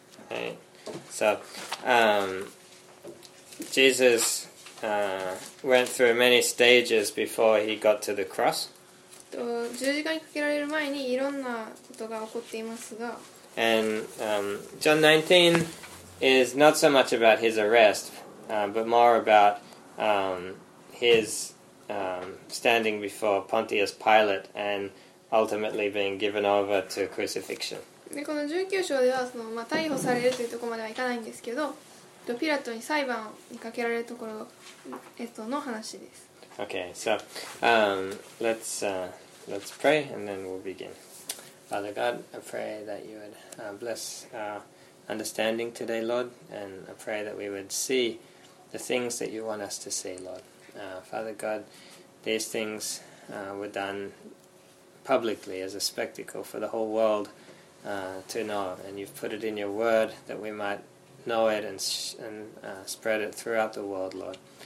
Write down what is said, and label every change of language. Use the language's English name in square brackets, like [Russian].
[English] Okay. So, Jesus went through many stages before he got to the cross. [Japanese] 十字架にかけられる前にいろんなことが起こっていますが。 [English] And John 19 is not so much about his arrest, but more about his standing before Pontius Pilate and ultimately being given over to crucifixion. [Japanese] でこの19章ではその、まあ、逮捕されるというところまではいかないんですけど、ピラトに裁判にかけられるところ、の話です。 [English] Okay, so let's pray and then we'll begin. Father God, I pray that you would bless our understanding today, Lord, and I pray that we would see the things that you want us to see, Lord. Father God, these things were done publicly as a spectacle for the whole world to know, and you've put it in your word that we might know it and spread it throughout the world, Lord.